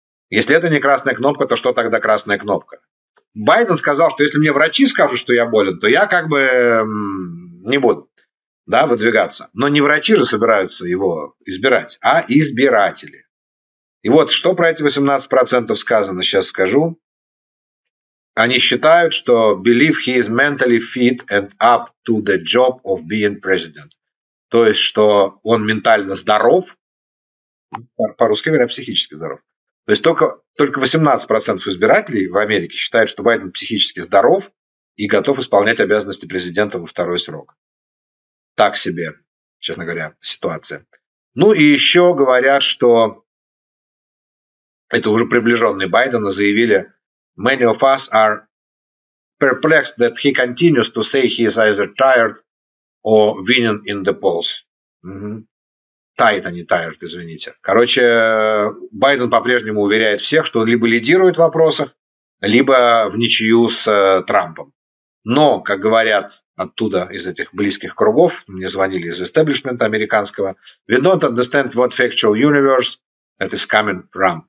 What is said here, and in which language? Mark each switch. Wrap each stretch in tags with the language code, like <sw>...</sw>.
<ru>Если это не красная кнопка, то что тогда красная кнопка? Байден сказал, что если мне врачи скажут, что я болен, то я как бы не буду, да, выдвигаться. Но не врачи же собираются его избирать, а избиратели. И вот что про эти 18% сказано, сейчас скажу. Они считают, что</ru> <en>believe he is mentally fit and up to the job of being president.</en> <ru>То есть, что он ментально здоров По-русски говоря, психически здоров. То есть только 18% избирателей в Америке считают, что Байден психически здоров и готов исполнять обязанности президента во второй срок. Так себе, честно говоря, ситуация. Ну и еще говорят, что это уже приближенные Байдена заявили:</ru> <en>«Many of us are perplexed that he continues to say he is either tired or winning in the polls».</en> <ru>Угу. Tired, а не tired, извините. Короче, Байден по-прежнему уверяет всех, что он либо лидирует в вопросах, либо в ничью с Трампом. Но, как говорят оттуда, из этих близких кругов, мне звонили из истеблишмента американского:</ru> <en>«We don't understand what factual universe that is coming from».</en>